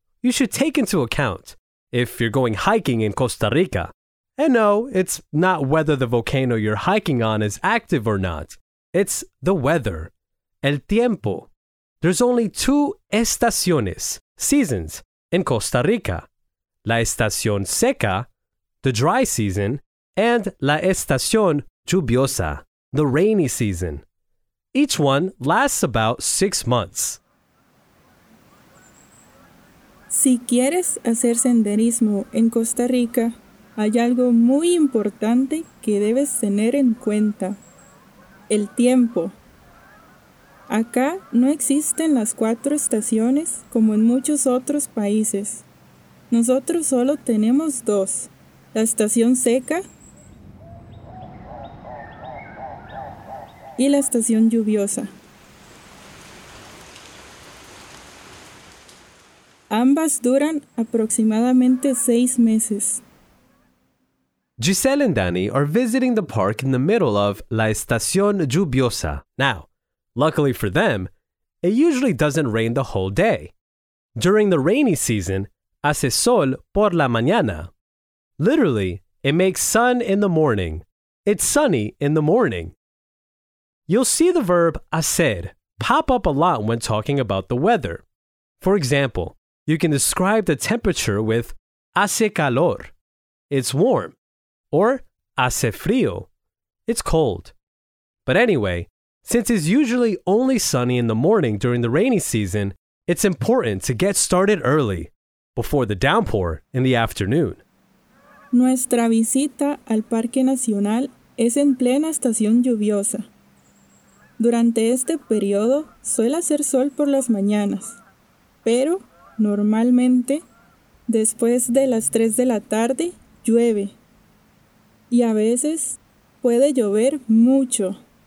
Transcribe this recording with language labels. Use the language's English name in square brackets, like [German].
[English] You should take into account if you're going hiking in Costa Rica. And no, it's not whether the volcano you're hiking on is active or not. It's the weather. El tiempo. There's only two estaciones, seasons, in Costa Rica. [Spanish] La estación seca, [English] the dry season, and [Spanish] la estación lluviosa, [English] the rainy season. Each one lasts about 6 months. [Spanish] Si quieres hacer senderismo en Costa Rica, hay algo muy importante que debes tener en cuenta. El tiempo. Acá no existen las cuatro estaciones como en muchos otros países. Nosotros solo tenemos dos. La estación seca y la estación lluviosa. Ambas duran aproximadamente 6 meses. [English] Giselle and Dani are visiting the park in the middle of La Estación Lluviosa. Now, luckily for them, it usually doesn't rain the whole day. During the rainy season, [Spanish] hace sol por la mañana. [English] Literally, it makes sun in the morning. It's sunny in the morning. You'll see the verb hacer pop up a lot when talking about the weather. For example, you can describe the temperature with [Spanish] hace calor. [English] It's warm. Or, [Spanish] hace frío, [English] it's cold. But anyway, since it's usually only sunny in the morning during the rainy season, it's important to get started early, before the downpour in the afternoon. [Spanish] Nuestra visita al Parque Nacional es en plena estación lluviosa. Durante este periodo suele hacer sol por las mañanas, pero normalmente después de las 3 de la tarde llueve y a veces puede llover mucho.